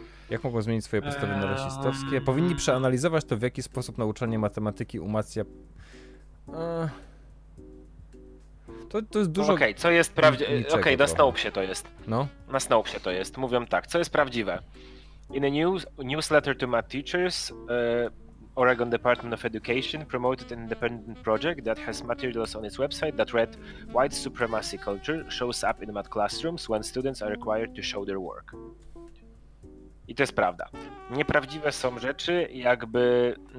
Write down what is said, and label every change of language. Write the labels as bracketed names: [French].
[Polish] Jak mogą zmienić swoje postawy na rasistowskie? Powinni przeanalizować to, w jaki sposób nauczanie matematyki umacnia... To jest dużo... Okej, okay, co jest prawdziwe? Okej, okay, na Snopesie to jest. No? Na Snopesie to jest. Mówią tak, co jest prawdziwe? [English] In a newsletter to math teachers, Oregon Department of Education promoted an independent project that has materials on its website that read White supremacy culture shows up in math classrooms when students are required to show their work. [Polish] I to jest prawda. Nieprawdziwe są rzeczy, jakby...